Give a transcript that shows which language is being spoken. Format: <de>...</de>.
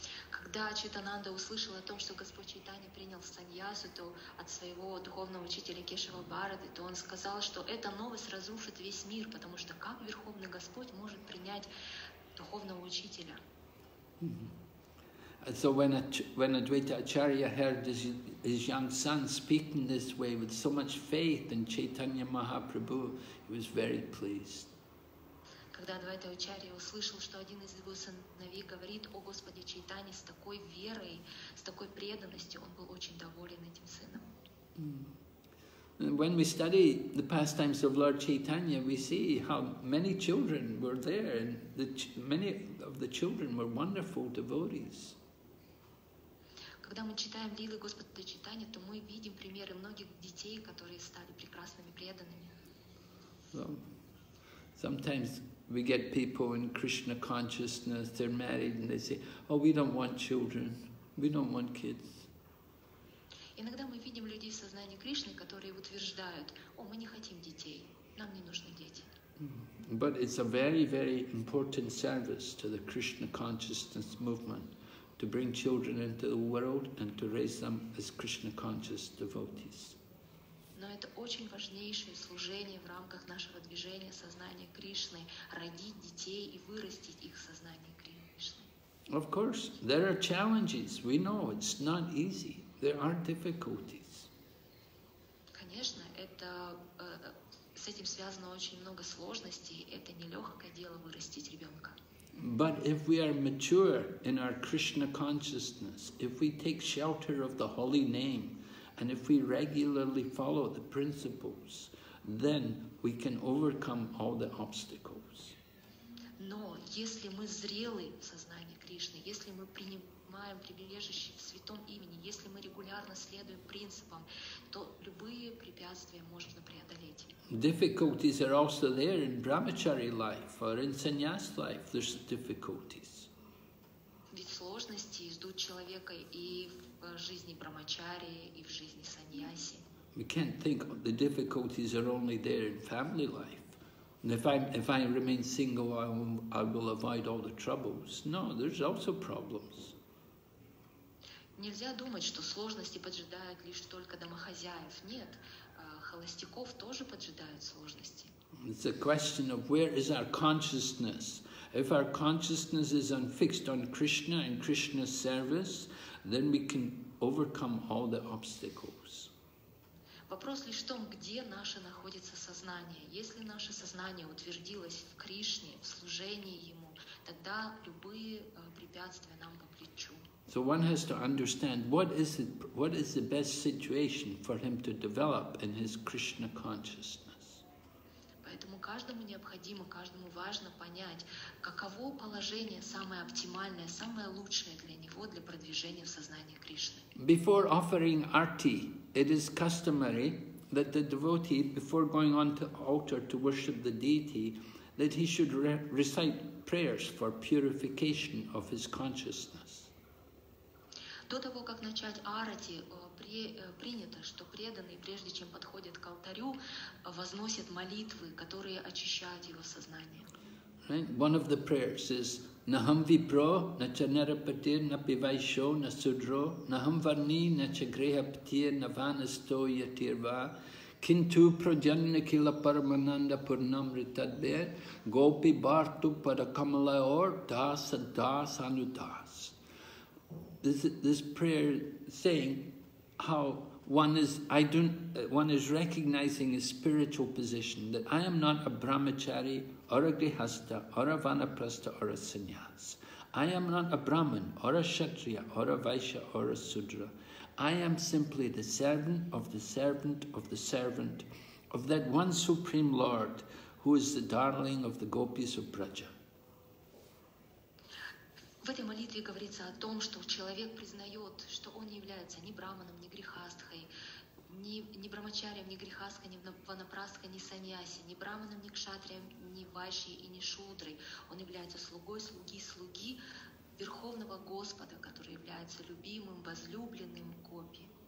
<ru>Когда Ачютананда услышал о том, что Господь Чайтанья принял саньясу, то от своего духовного учителя Кешава Бхарати, то он сказал, что эта новость разрушит весь мир, потому что как Верховный Господь может принять духовного учителя? Mm-hmm.</ru> <en>So when Advaita Acharya heard his young son speaking this way with so much faith in Chaitanya Mahaprabhu, he was very pleased.</en> <ru>Когда Адвайта Ачарья услышал, что один из его сыновей говорит о Господе Чайтанье с такой верой, с такой преданностью, он был очень доволен этим сыном.</ru> <en>When we study the pastimes of Lord Chaitanya, we see how many children were there, and many of the children were wonderful devotees.</en> <ru>Когда мы читаем лилы Господа Чайтанья, то мы видим примеры многих детей, которые стали прекрасными преданными.</ru> <en>Sometimes we get people in Krishna consciousness, they're married, and they say, oh, we don't want children, we don't want kids.</en> <ru>Иногда мы видим людей в сознании Кришны, которые утверждают, о, мы не хотим детей, нам не нужны дети.</ru> <en>But it's a very, very important service to the Krishna consciousness movement to bring children into the world and to raise them as Krishna conscious devotees.</en> <ru>Но это очень важнейшее служение в рамках нашего движения сознания Кришны – родить детей и вырастить их в сознании Кришны.</ru> <en>Of course, there are challenges. We know it's not easy. There are difficulties.</en> <ru>Конечно, это с этим связано очень много сложностей. Это нелегкое дело вырастить ребенка.</ru> <en>But if we are mature in our Krishna consciousness, if we take shelter of the holy name, and if we regularly follow the principles, then we can overcome all the obstacles.</en> <ru>Но если мы зрелы в сознании Кришны, если мы принимаем прибежище в святом имени, если мы регулярно следуем принципам, то любые препятствия можно преодолеть.</ru> <en>Difficulties are also there in brahmachari life or in sannyas life. There's difficulties.</en> <ru>Ведь сложности ждут человека и в жизни брамачари, и в жизни саньяси.</ru> <en>We can't think the difficulties are only there in family life. And if I remain single, I will avoid all the troubles. No, there's also problems.</en> <ru>Нельзя думать, что сложности поджидают лишь только домохозяев. Нет, холостяков тоже поджидают сложности.</ru> <en>It's a question of where is our consciousness. If our consciousness is unfixed on Krishna and Krishna's service, then we can overcome all the obstacles.</en> <ru>Вопрос лишь в том, где наше находится сознание. Если наше сознание утвердилось в Кришне, в служении Ему, тогда любые препятствия нам по плечу.</ru> <en>So one has to understand what is the best situation for him to develop in his Krishna consciousness.</en> <ru>Поэтому каждому необходимо, каждому важно понять, каково положение самое оптимальное, самое лучшее для него для продвижения в сознании Кришны.</ru> <en>Before offering arti, it is customary that the devotee, before going on to altar to worship the deity, that he should recite prayers for purification of his consciousness.</en> <ru>До того, как начать арати, принято, что преданный, прежде чем подходит к алтарю, возносит молитвы, которые очищают его сознание.</ru> <en>Right.</en> <sa>One of the prayers is Naham vipro na cha narapatir na pivaisho na sudro Naham varni na cha grehaptir na vanasto yatirva Kintu prajanna kila paramananda purnamritadbir Gopi bartu padakamalaor dasa dasa anutas.</sa> <en>This prayer saying how one is recognizing his spiritual position, that I am not a brahmachari or a grihastha or a vanaprastha or a sannyas. I am not a brahman or a kshatriya or a vaishya or a sudra. I am simply the servant of the servant of the servant of that one supreme lord who is the darling of the gopis of Braja.</en> <ru>В этой молитве говорится о том, что человек признает, что он не является ни браманом, ни грихастхой, ни брамачарием, ни грихастхой, ни ванапрастхой, ни саньяси, ни браманом, ни кшатрием, ни вайшей и ни шудрой. Он является слугой, слуги Верховного Господа, который является любимым, возлюбленным Гопи.</ru>